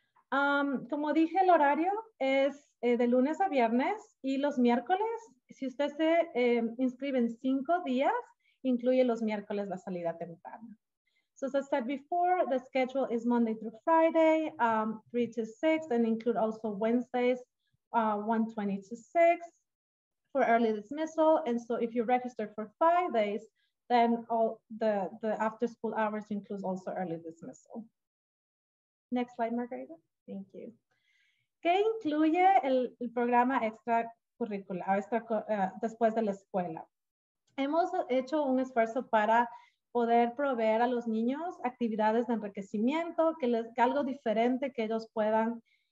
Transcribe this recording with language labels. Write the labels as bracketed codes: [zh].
[es] Como dije, el horario es de lunes a viernes y los miércoles, si usted se inscribe en 5 días, incluye los miércoles la salida temprana. [en] So as I said before, the schedule is Monday through Friday, 3 to 6, and include also Wednesdays, 1:20 to 6 for early dismissal. And so if you register for 5 days, then all the after school hours includes also early dismissal. Next slide, Margarita. Thank you. [es] ¿Qué incluye el programa extracurricular, después de la escuela? Hemos hecho un esfuerzo para poder proveer a los niños actividades de enriquecimiento, que algo diferente que ellos puedan